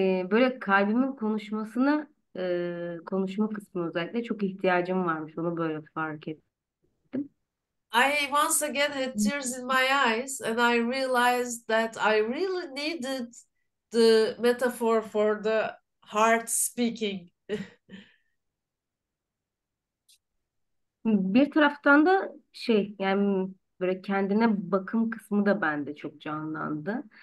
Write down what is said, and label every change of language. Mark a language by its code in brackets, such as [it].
[tr] Böyle kalbimin konuşmasını konuşma kısmı özellikle çok ihtiyacım varmış. Onu böyle fark [en] I once again had tears in my eyes and I realized that I really needed the metaphor for the heart speaking. [tr] Bir taraftan da yani böyle kendine bakım kısmı da bende çok canlandı.